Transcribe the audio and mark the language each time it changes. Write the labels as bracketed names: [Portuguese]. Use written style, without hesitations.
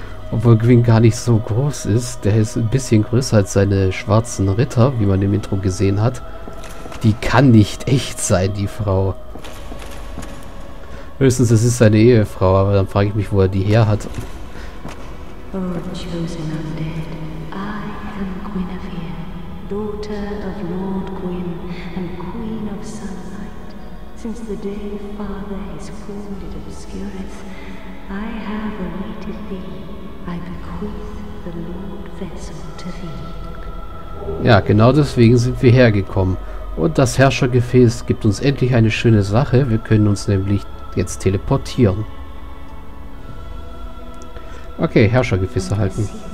[German] Obwohl Gwyn gar nicht so groß ist. Der ist ein bisschen größer als seine schwarzen Ritter, wie man im Intro gesehen hat. Die kann nicht echt sein, die Frau. Höchstens, es ist seine Ehefrau, aber dann frage ich mich, wo er die her hat. [English] Oh, chosen undead. I am Guinevere, daughter of Lord Gwyn and Queen of Sunlight. Since the day Father has called it obscureth, I have awaited thee. I bequeath the Lord Vessel to thee. [German] Ja, genau deswegen sind wir hergekommen. Und das Herrschergefäß gibt uns endlich eine schöne Sache. Wir können uns nämlich jetzt teleportieren. Okay, Herrschergefäße halten.